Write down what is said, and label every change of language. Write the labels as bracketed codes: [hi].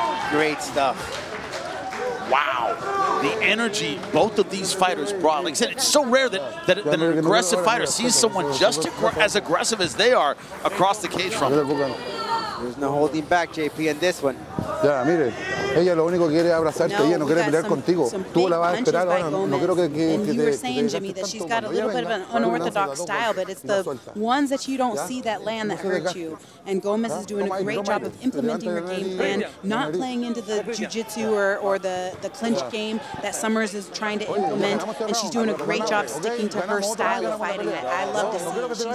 [en] Great stuff. Wow. The energy both of these fighters brought. Like I said, it's so rare that an aggressive fighter sees someone just as aggressive as they are across the cage from him. There's no holding back, JP, in this one. [es] Yeah, mire, ella lo único quiere abrazarte, ella no quiere pelear contigo. Tú la vas a esperar, no quiero que te. [en] And you were saying, Jimmy, that she's got a little bit of an unorthodox style, but it's the ones that you don't see that land that hurt you. And Gomez is doing a great job of implementing her game plan, not playing into the jiu-jitsu or the clinch game that Summers is trying to implement. And she's doing a great job sticking to her style of fighting. I love to see it.